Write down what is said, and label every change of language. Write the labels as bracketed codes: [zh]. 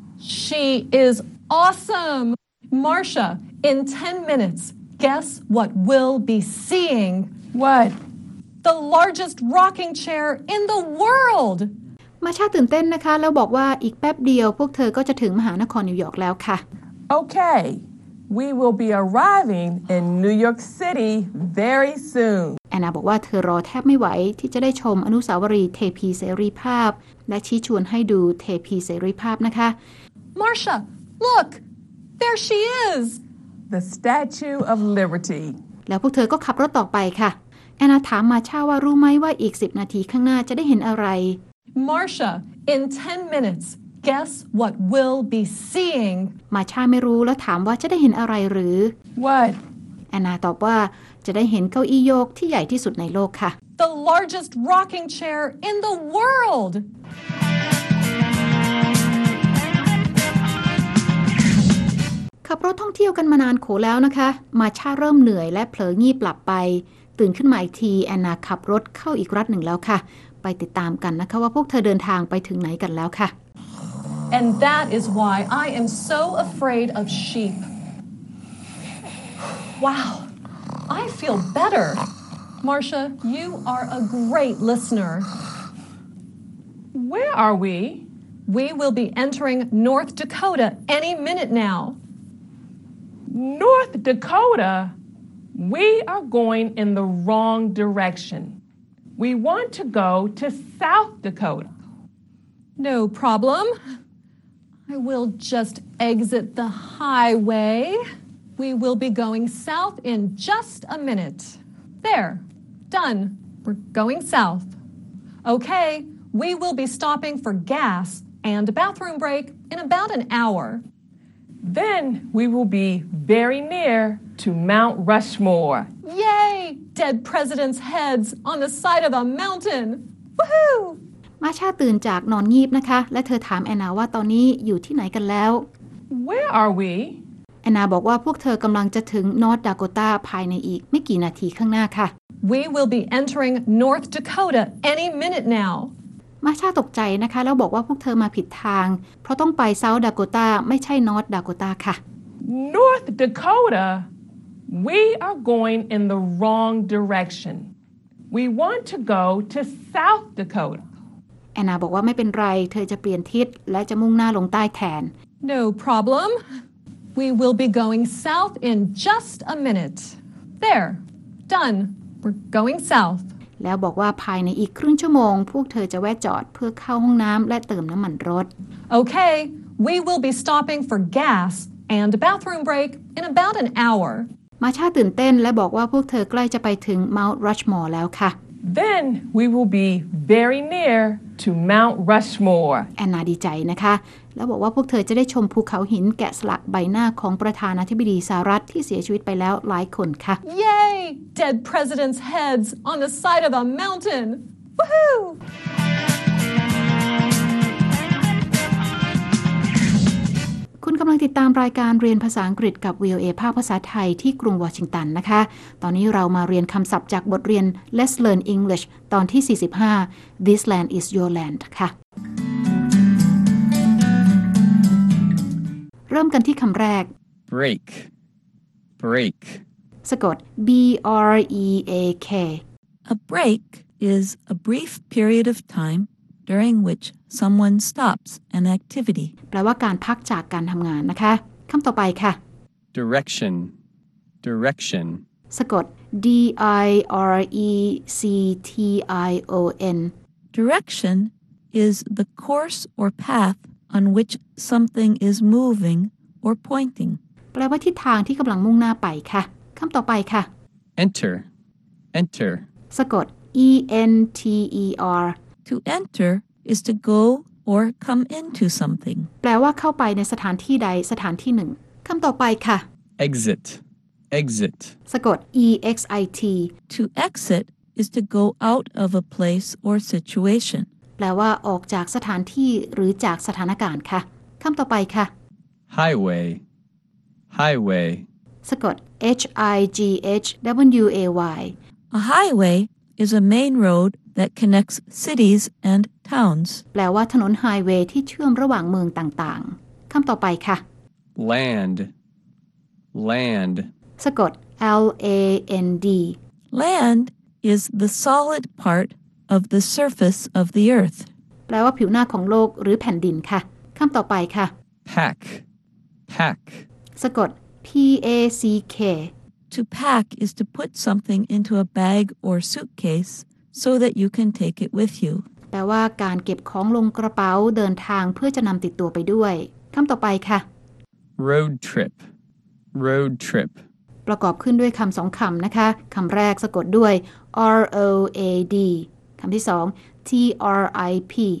[en] She is awesome. Marcia, in 10 minutes, guess what we'll be seeing? What? The largest rocking chair in the world. [th] Marcia ตื่นเต้นนะคะแล้วบอกว่าอีกแป๊บเดียวพวกเธอก็จะถึงมหานครนิวยอร์กแล้วค่ะ [en] Okay. We will be arriving in New York City very soon. [th] แอนนาบอกว่าเธอรอแทบไม่ไหวที่จะได้ชมอนุสาวรีย์เทพีเสรีภาพและชี้ชวนให้ดูเทพีเสรีภาพนะคะ [en] Marcia, look! There she is! The Statue of Liberty [th] แล้วพวกเธอก็ขับรถต่อไปค่ะแอนนาถามมาช่าว่ารู้ไหมว่าอีก10นาทีข้างหน้าจะได้เห็นอะไร [en] Marcia, in 10 minutes, guess what we'll be seeing [th] มาช่าไม่รู้แล้วถามว่าจะได้เห็นอะไรหรือ [en] What? [th] แอนนาตอบว่าจะได้เห็นเก้าอี้โยกที่ใหญ่ที่สุดในโลกค่ะ [en] The largest rocking chair in the world [th] ขับรถท่องเที่ยวกันมานานโขแล้วนะคะมาช่าเริ่มเหนื่อยและเผลองีบหลับไปตื่นขึ้นมาอีกทีแอนนาขับรถเข้าอีกรัฐหนึ่งแล้วค่ะไปติดตามกันนะคะว่าพวกเธอเดินทางไปถึงไหนกันแล้วค่ะ [en] And that is why I am so afraid of sheepWow, I feel better. Marcia, you are a great listener. Where are we? We will be entering North Dakota any minute now. North Dakota? We are going in the wrong direction. We want to go to South Dakota. No problem. I will just exit the highway. We will be going south in just a minute. There. Done. We're going south. Okay, we will be stopping for gas and a bathroom break in about an hour. Then we will be very near to Mount Rushmore. Yay! Dead president's heads on the side of a mountain. Woohoo! [th] มาชาตื่นจากนอนงีบนะคะและเธอถามแอนนาว่าตอนนี้อยู่ที่ไหนกันแล้ว [en] Where are we? [th] แอนนาบอกว่าพวกเธอกำลังจะถึงนอร์ทดาโกตาภายในอีกไม่กี่นาทีข้างหน้าค่ะ [en] We will be entering North Dakota any minute now [th] มาชาตกใจนะคะแล้วบอกว่าพวกเธอมาผิดทางเพราะต้องไปเซาท์ดาโกตาไม่ใช่นอร์ทดาโกตาค่ะ [en] North Dakota We are going in the wrong direction We want to go to South Dakota [th] แอนนาบอกว่าไม่เป็นไรเธอจะเปลี่ยนทิศและจะมุ่งหน้าลงใต้แทน [en] No problemWe will be going south in just a minute. There. Done. We're going south. [th] แล้วบอกว่าภายในอีกครึ่งชั่วโมงพวกเธอจะแวะจอดเพื่อเข้าห้องน้ำและเติมน้ำมันรถ [en] Okay. We will be stopping for gas and a bathroom break in about an hour. [th] มาชาตื่นเต้นและบอกว่าพวกเธอใกล้จะไปถึง Mount Rushmore แล้วค่ะ [en] Then we will be very near to Mount Rushmore. [th] แอนนาดีใจนะคะแล้วบอกว่าพวกเธอจะได้ชมภูเขาหินแกะสลักใบหน้าของประธานาธิบดีสหรัฐที่เสียชีวิตไปแล้วหลายคนค่ะ [en] Yay! Dead president's heads on the side of a mountain. Woohoo! [th] คุณกำลังติดตามรายการเรียนภาษาอังกฤษกับ VOA ภาคภาษาไทยที่กรุงวอชิงตันนะคะตอนนี้เรามาเรียนคำศัพท์จากบทเรียน Let's Learn English ตอนที่45 This land is your land ค่ะเริ่มกันที่คำแรก [en] break break [th] สะกด B-R-E-A-K [en] A break is a brief period of time during which someone stops an activity [th] แปลว่าการพักจากการทำงานนะคะคำต่อไปค่ะ [en] direction direction [th] สะกด D-I-R-E-C-T-I-O-N [en] direction is the course or path on which something is movingOr pointing. [th] แปลว่าทิศทางที่กำลังมุ่งหน้าไปค่ะคำต่อไปค่ะ [en] Enter. Enter. [th] สะกด E-N-T-E-R. [en] To enter is to go or come into something. [th] แปลว่าเข้าไปในสถานที่ใดสถานที่หนึ่งคำต่อไปค่ะ [en] Exit. Exit. [th] สะกด E-X-I-T. [en] To exit is to go out of a place or situation. [th] แปลว่าออกจากสถานที่หรือจากสถานการณ์ค่ะคำต่อไปค่ะ [en] Highway, highway. [th] สะกด H-I-G-H-W-A-Y. [en] A highway is a main road that connects cities and towns. [th] แปลว่าถนนไฮเวย์ที่เชื่อมระหว่างเมืองต่างๆคำต่อไปค่ะ [en] Land, land. [th] สะกด L-A-N-D. [en] Land is the solid part of the surface of the earth. [th] แปลว่าผิวหน้าของโลกหรือแผ่นดินค่ะคำต่อไปค่ะ [en] Pack. Pack. [th] สะกด P-A-C-K. [en] To pack is to put something into a bag or suitcase so that you can take it with you. [th] แปลว่าการเก็บของลงกระเป๋าเดินทางเพื่อจะนำติดตัวไปด้วยคำต่อไปค่ะ [en] Road trip. Road trip. [th] ประกอบขึ้นด้วยคำสองคำนะคะคำแรกสะกดด้วย R-O-A-D. คำที่สอง T-R-I-P.